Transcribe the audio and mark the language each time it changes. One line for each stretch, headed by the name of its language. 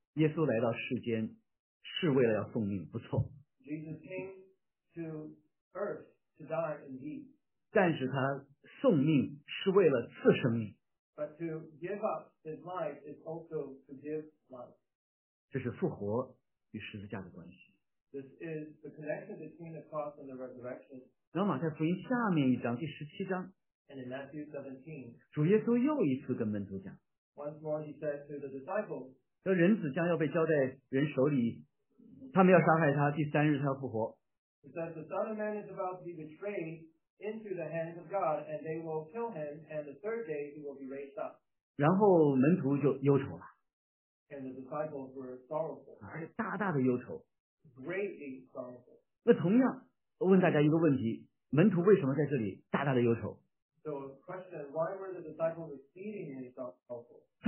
Chinese: 耶稣来到世间, 是为了要奉命, 不错。
English: Jesus came to earth to die indeed.
Chinese: 但是他送命是为了赐生命。
English: But to give up his life is also to give life.
Chinese: 这是复活与十字架的关系。
English: This is the connection between the cross and the resurrection.
Chinese: 然后马太福音下面一章第17章。
English: And in Matthew 17,
Chinese: 主耶稣又一次跟门徒讲。
English: Once more he said to the disciples,
Chinese: 说人子将要被交在人手里, 他们要杀害他, 第三日他要复活。
English: He says the Son of Man is about to be betrayed into the hands of God, and they will kill him, and the third day he will be raised up.
Chinese: 然后门徒就忧愁了。
English: And the disciples were sorrowful.
Chinese: 而且大大的忧愁。
English: Greatly sorrowful.
Chinese: 那同样问大家一个问题, 门徒为什么在这里大大的忧愁?
English: So a question, why were the disciples exceedingly sorrowful?